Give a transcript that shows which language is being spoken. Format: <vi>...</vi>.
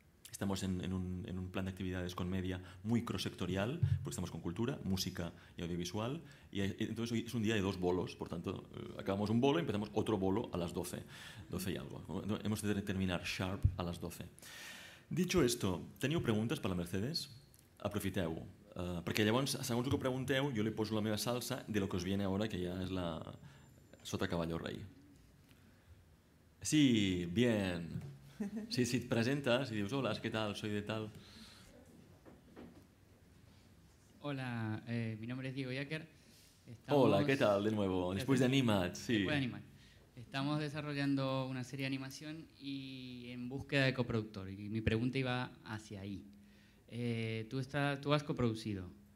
<es>Estamos en un plan de actividades con media muy cross-sectorial, porque estamos con cultura, música y audiovisual. Entonces hoy es un día de dos bolos, por tanto, acabamos un bolo y empezamos otro bolo a las 12 y algo. Hemos de terminar sharp a las 12. Dicho esto,</es> <ca>¿teniu preguntes per a Mercedes? Aprofiteu-ho. Perquè llavors, segons el que pregunteu, jo li poso la meva salsa de lo que us viene ahora, que ja és la sota cavalló rei. Sí, bien. Sí, si et presentes i dius hola, què tal,</ca> <es>soy de tal. Hola, mi nombre es Diego Yacker. Hola, què tal, de nuevo, después de Animat. Sí. Después de Animat. Estamos desarrollando una serie de animación y en búsqueda de coproductor. Y mi pregunta iba hacia ahí. Tú has coproducido.</es>